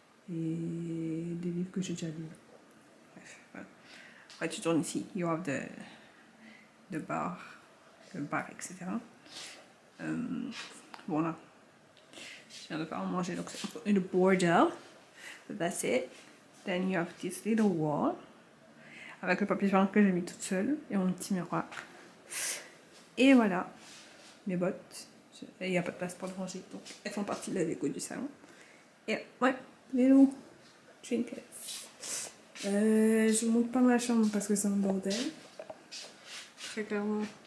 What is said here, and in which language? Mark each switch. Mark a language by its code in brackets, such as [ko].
[fr] Et des livres que j'ai déjà lus. Bref, voilà. Après, tu tournes ici. [en] You have the bar. [fr] Le bar, etc. Bon, là. Je viens de pas en manger, donc c'est une bordel. [en] That's it. Then you have this little wall. [fr] Avec le papier peint que j'ai mis toute seule. Et mon petit miroir. Et voilà. Mes bottes. Il n'y a pas de place pour le ranger. Donc elles font partie de la déco du salon. Et ouais. Les loups. Trinkets. Je ne monte pas ma chambre parce que c'est un bordel. Très clairement.